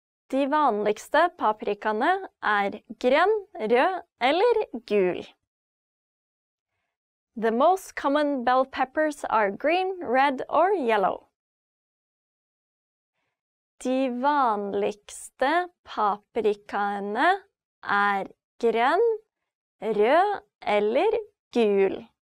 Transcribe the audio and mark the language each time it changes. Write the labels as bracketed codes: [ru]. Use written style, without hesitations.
[no] De vanligste paprikene grønn, rød eller gul. [en] The most common bell peppers are green, red or yellow. [no] De vanligste paprikene grønn, rød eller gul.